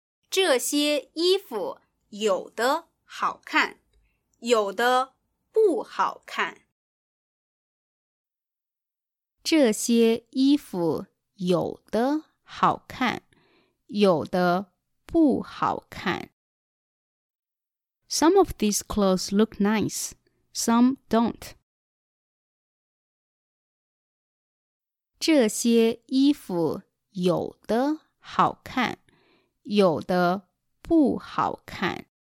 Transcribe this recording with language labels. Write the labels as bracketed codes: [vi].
[zh] 这些衣服有的好看，有的不好看。这些衣服有的好看，有的不好看。 [en] Some of these clothes look nice, some don't. [zh] 这些衣服有的好看，有的不好看。